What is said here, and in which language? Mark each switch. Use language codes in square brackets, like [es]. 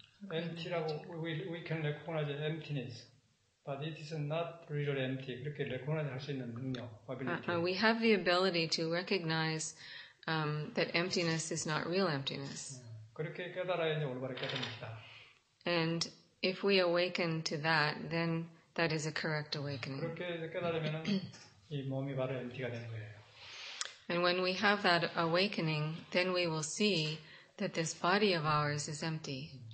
[en] Empty라고 we can recognize emptiness, but it is not really empty. [ko] 그렇게 recognize 할 수 있는 능력, ability. [en] We have the ability to recognize that emptiness is not real emptiness. [ko] 그렇게 깨달아야 이제 올바르게 깨닫는다. [en] And if we awaken to that, then that is a correct awakening. [ko] 그렇게 깨달으면은 이 몸이 바로 empty가 되는 거예요. [en] And when we have that awakening, then we will see that this body of ours is empty.